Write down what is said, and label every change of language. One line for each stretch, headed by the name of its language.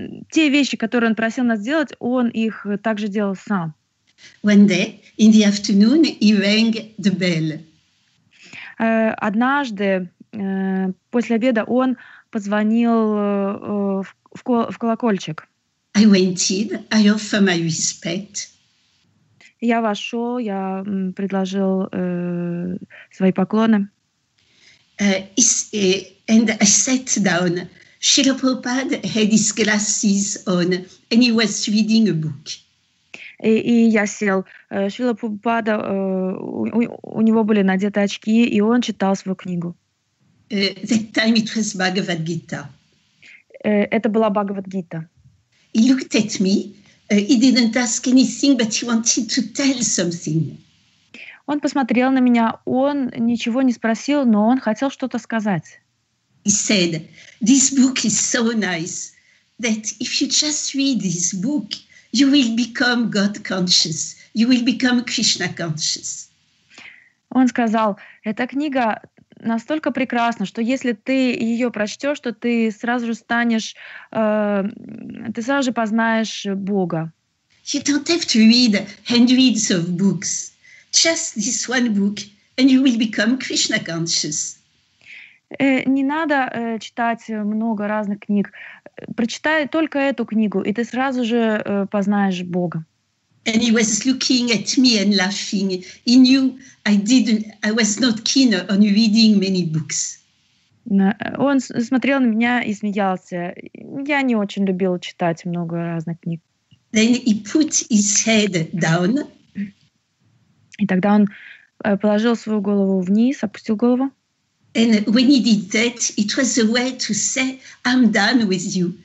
Russian: Те вещи, которые он просил нас делать, он их также делал сам.
English: One day, in the afternoon, he rang the bell.
Russian: Однажды, после обеда, он позвонил в колокольчик.
English: I went in, I offer my respect.
Russian: Я вошел, я предложил свои поклоны.
English: And I sat down. Srila Prabhupada had his glasses on, and he was reading a book.
Russian: и я сел. Шрила Прабхупада, у него были надеты очки, и он читал свою книгу.
English: That time it was Bhagavad Gita.
Russian: Это была Бхагавад Гита.
English: He looked at me. He didn't ask anything, but he wanted to tell something.
Russian: Он посмотрел на меня, он ничего не спросил, но он хотел что-то сказать.
English: He said, this book is so nice that if you just read this book, you will become God conscious, you will become Krishna conscious.
Russian: Он сказал, эта книга настолько прекрасна, что если ты ее прочтешь, то ты сразу же станешь, ты сразу же познаешь Бога.
English: You don't have to read hundreds of books. Just this one book, and you will become Krishna conscious.
Russian: Не надо читать много разных книг. Прочитай только эту книгу, и ты сразу же познаешь Бога.
English: And he was looking at me and laughing. He knew I was not keen on reading many books.
Russian: Он смотрел на меня и смеялся. Я не очень любил читать много разных книг.
English: Then he put his head down.
Russian: И тогда он положил свою голову вниз, опустил голову.
English: And when he did that, it was a way to say, I'm done with you.